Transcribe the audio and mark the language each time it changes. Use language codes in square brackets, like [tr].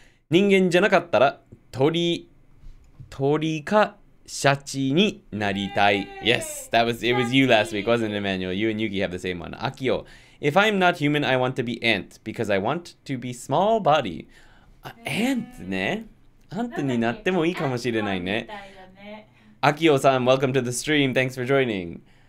[ja] 人間じゃなかったら鳥かシャチになりたい。 [en] Yes, that was, it was you last week, wasn't it, Emmanuel? You and Yuki have the same one. Akio, if I'm not human, I want to be ant, because I want to be small body. [ja] Ant ね。 Ant になってもいいかもしれないね。 [en] Akio-san, welcome to the stream, thanks for joining.